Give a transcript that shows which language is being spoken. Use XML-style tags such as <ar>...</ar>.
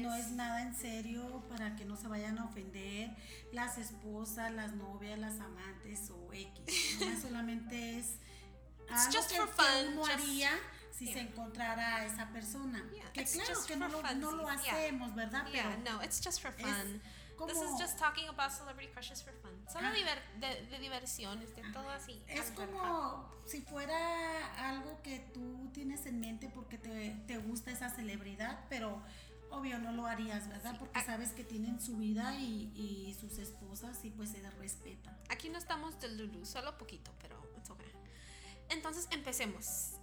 <es>No es nada en serio, para que no se vayan a ofender las esposas, las novias, las amantes o X. No, solamente es algo</es> <en>just</en> <es>que</es> <en>for fun,</en> <es>uno haría si se encontrara a esa persona. Yeah, que claro que no lo hacemos, ¿verdad?</es> <en>Yeah, pero no, it's just for fun.</en> <es>Como,</es> <en>this is just talking about celebrity crushes for fun.</en> <es>Solo de diversión, todo así. Es como si fuera algo que tú tienes en mente porque te gusta esa celebridad, pero obvio no lo harías, ¿verdad? Sí, porque sabes que tienen su vida y sus esposas y pues se respeta. Aquí no estamos del Lulu, solo poquito, pero it's okay. Entonces empecemos.</es>